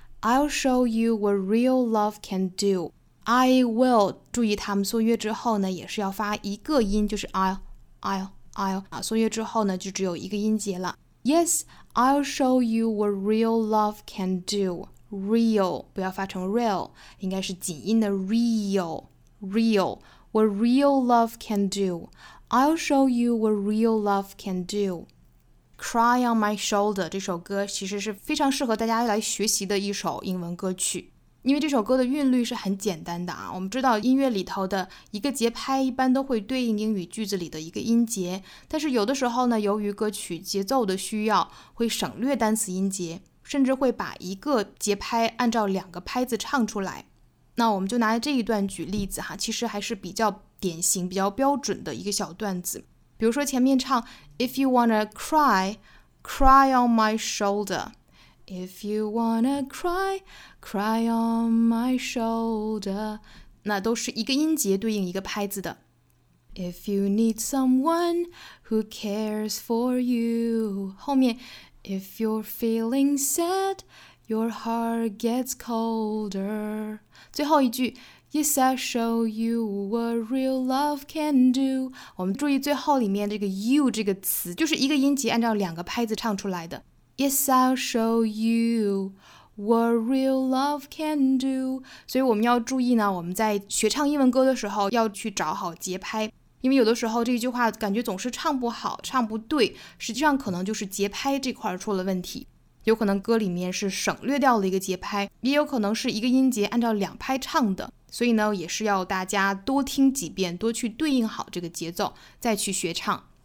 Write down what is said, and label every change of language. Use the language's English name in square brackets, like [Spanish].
[English] I'll show you what real love can do. I will. [Chinese] 注意他们缩约之后呢也是要发一个音，就是 I'll. 缩约之后呢就只有一个音节了。 [English] Yes, I'll show you what real love can do. [Chinese] Real. 不要发成 real. 应该是紧音的 real. Real. [English] What real love can do. I'll show you what real love can do. [Chinese] Cry on my shoulder 这首歌其实是非常适合大家来学习的一首英文歌曲，因为这首歌的韵律是很简单的啊。我们知道音乐里头的一个节拍一般都会对应英语句子里的一个音节，但是有的时候呢由于歌曲节奏的需要会省略单词音节，甚至会把一个节拍按照两个拍子唱出来。那我们就拿这一段举例子哈，其实还是比较典型比较标准的一个小段子，比如说前面唱 If you wanna cry, cry on my shoulder. [English] If you wanna cry, cry on my shoulder. [Chinese] 那都是一个音节对应一个拍子的。 [English] If you need someone who cares for you. [Chinese] 后面 [English] If you're feeling sad, your heart gets colder. [Chinese] 最后一句 [English] Yes, I'll show you what real love can do. [Chinese] 我们注意最后里面这个 you 这个词，就是一个音节按照两个拍子唱出来的。 [English] Yes, I'll show you what real love can do. [Chinese] 所以我们要注意呢，我们在学唱英文歌的时候要去找好节拍，因为有的时候这句话感觉总是唱不好，唱不对，实际上可能就是节拍这块出了问题。有可能歌里面是省略掉了一个节拍，也有可能是一个音节按照两拍唱的，所以呢也是要大家多听几遍，多去对应好这个节奏再去学唱。